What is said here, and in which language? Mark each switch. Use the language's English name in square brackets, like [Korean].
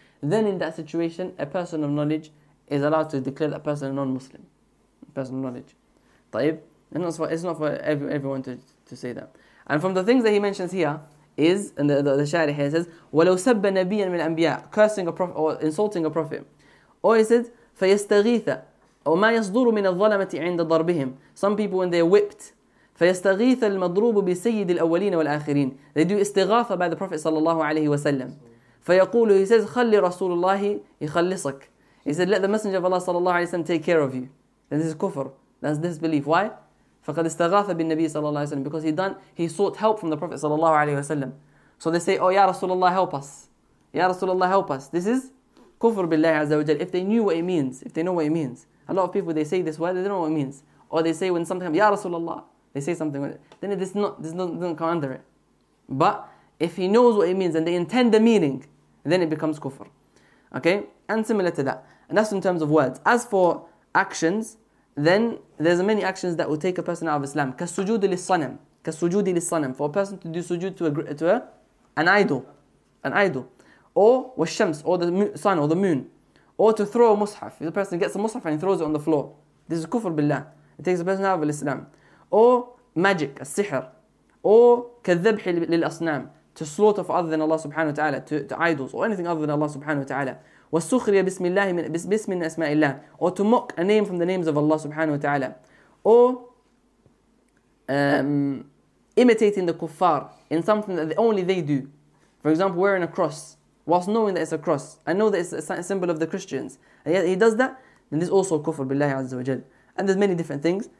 [English] Then in that situation, a person of knowledge is allowed to declare that person a non-Muslim. Person of knowledge. طيب. And it's not for everyone to say that. And from the things that he mentions here is, and the Shari here says, [Arabic] وَلَوْ سَبَّ نَبِيًّا مِنْ الْأَنْبِيَاءِ, [English] cursing a prophet or insulting a prophet. Or he said, [Arabic] فَيَسْتَغِيثَ وَمَا يَصْدُرُ مِنَ الظَّلَمَةِ عِنْدَ ضَرْبِهِمْ. [English] Some people, when they're whipped, [Arabic] فيستغيث المضروب بسيد الأولين والآخرين. [English] They do استغاثة by the Prophet صلى الله عليه وسلم. [Arabic] فيقول, [English] he says, [Arabic] خلي رسول الله يخلصك. [English] He said, let the Messenger of Allah صلى الله عليه وسلم take care of you. Then this is kufr. That's disbelief. Why? [Arabic] فقد استغاث بالنبي صلى الله عليه وسلم. [English] Because he sought help from the Prophet صلى الله عليه وسلم. So they say, oh, يا رسول الله help us. يا رسول الله help us. This is kufr بالله عز وجل. If they knew what it means, if they know what it means. A lot of people, they say this word, they don't know what it means. Or they say when something, يا رسول الله. They say something with it, then it doesn't come under it. But if he knows what it means and they intend the meaning, then it becomes kufr. Okay? And similar to that. And that's in terms of words. As for actions, then there's many actions that will take a person out of Islam. [Arabic] كالسجود للصنم. كالسجود للصنم. [English] For a person to do sujood to an idol. An idol. Or والشمس, or the sun or the moon. Or to throw a mushaf. The person gets a mushaf and he throws it on the floor. This is kufr billah. It takes a person out of Islam. Or magic, السحر. [Arabic] Or كالذبح للأصنام. [English] To slaughter for other than Allah subhanahu wa ta'ala. To idols or anything other than Allah subhanahu wa ta'ala. [Arabic] والسخرية بسم الله من بسم أسماء الله. [English] Or to mock a name from the names of Allah subhanahu wa ta'ala. Or imitating the kuffar in something that only they do. For example, wearing a cross whilst knowing that it's a cross. I know that it's a symbol of the Christians. And yet he does that, then there's also kufr billahi azza wa jal. And there's many different things.